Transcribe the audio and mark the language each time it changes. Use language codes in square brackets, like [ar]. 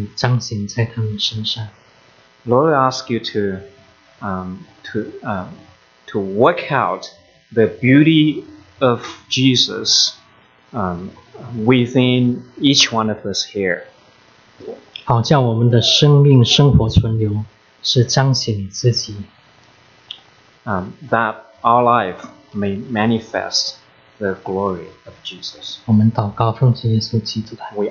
[zh] 你也使用在座的每一位，无论是什么年纪，将你的荣美彰显在他们身上。 [en] Lord, I ask you to work out the beauty of Jesus within each one of us here. [zh] 好叫我们的生命生活存留，是彰显你自己。 [en] That our life may manifest the glory of Jesus. [zh] 我们祷告奉主耶稣基督的名。